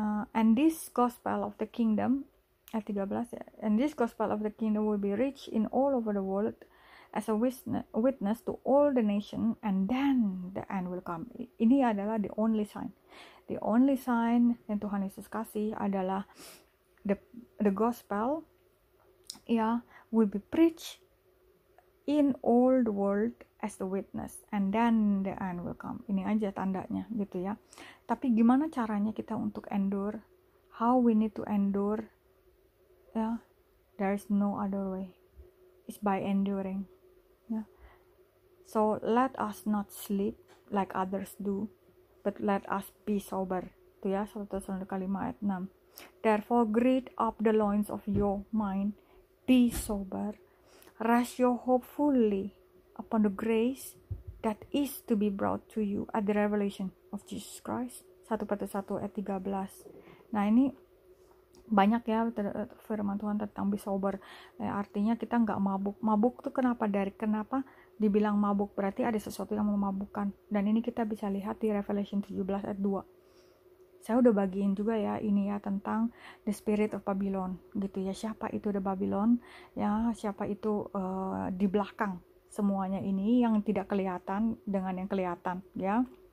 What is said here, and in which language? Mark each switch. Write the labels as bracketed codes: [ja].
[en] And this gospel of the kingdom at 13 ya, and this gospel of the kingdom will be reached in all over the world as a witness to all the nation, and then the end will come. [id] Ini adalah [en] the only sign [id] yang Tuhan Yesus kasih adalah the gospel ya, [en] will be preached in all the world as the witness, and then the end will come. [id] Ini aja tandanya, gitu ya. Tapi gimana caranya kita untuk endure? [en] How we need to endure? Yeah, there is no other way. It's by enduring. Yeah. So let us not sleep like others do, but let us be sober. [id] Itu ya, 1 Tesalonika 5 ayat 6. [en] Therefore, gird up the loins of your mind, be sober, rest your hope fully upon the grace that is to be brought to you at the revelation of Jesus Christ. [id] 1 Petrus 1 ayat 13. Nah, ini banyak ya firman Tuhan tentang [en] be sober. [id] Artinya kita nggak mabuk. Mabuk itu kenapa? Dari kenapa dibilang mabuk? Berarti ada sesuatu yang memabukkan. Dan ini kita bisa lihat di Revelation 17 ayat 2. Saya udah bagiin juga ya ini ya tentang [en] the spirit of Babylon [id] gitu ya, siapa itu the Babylon ya, siapa itu di belakang semuanya ini yang tidak kelihatan dengan yang kelihatan ya.